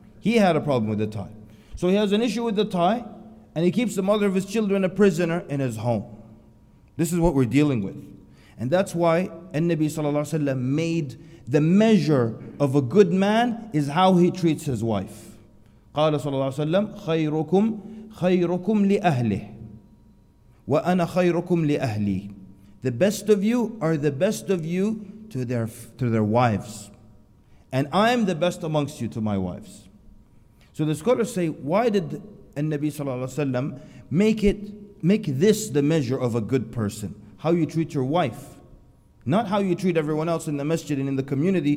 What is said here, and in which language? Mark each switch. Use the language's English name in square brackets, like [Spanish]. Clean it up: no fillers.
[English] He had a problem with the tie. So he has an issue with the tie, and he keeps the mother of his children a prisoner in his home. This is what we're dealing with. And that's why An-Nabi sallallahu alayhi wa sallam made the measure of a good man is how he treats his wife. [Arabic] قال صلى الله عليه وسلم خيركم لأهله وأنا خيركم لأهلي. [English] The best of you are the best of you to their wives. And I am the best amongst you to my wives. So the scholars say, why did An-Nabi sallallahu alayhi wa sallam make this the measure of a good person? How you treat your wife, not how you treat everyone else in the masjid and in the community.